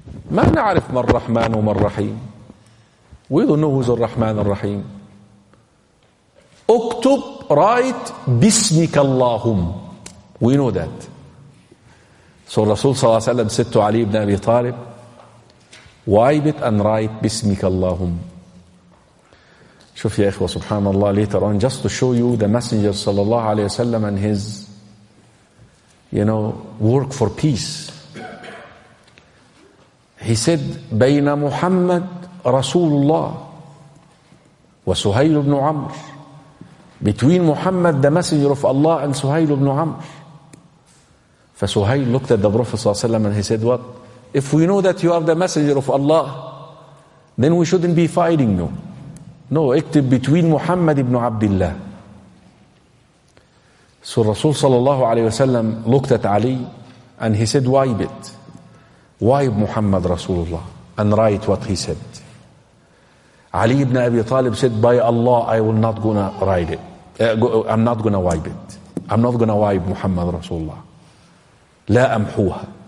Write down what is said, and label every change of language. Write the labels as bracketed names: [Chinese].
[Arabic] ما نعرف من الرحمن ومن الرحيم. [English] We don't know who's الرحمن الرحيم. [Arabic] اكتب [English] write [Arabic] باسمك اللهم. [English] We know that. So Rasul صلى الله عليه وسلم said to Ali ibn Abi Talib, wipe it and write [Arabic] باسمك اللهم. شوف يا إخوة سبحان الله. [English] Later on, just to show you the messenger صلى الله عليه وسلم and his, you know, work for peace. He said, [Arabic] بين محمد رسول الله وسهيل بن عمر. [English] Between Muhammad, the messenger of Allah, and سهيل بن عمر. فسهيل looked at the Prophet صلى الله عليه وسلم and he said, what? If we know that you are the messenger of Allah, then we shouldn't be fighting you. No, [Arabic] اكتب [English] between [Arabic] محمد بن عبد الله. [English] So Rasul صلى الله عليه وسلم looked at Ali and he said, wipe it. Wipe Muhammad Rasulullah and write what he said. Ali ibn Abi Talib said, by Allah, I will not gonna write it. I'm not gonna wipe it. I'm not gonna wipe Muhammad Rasulullah. [Arabic] لا أمحوها.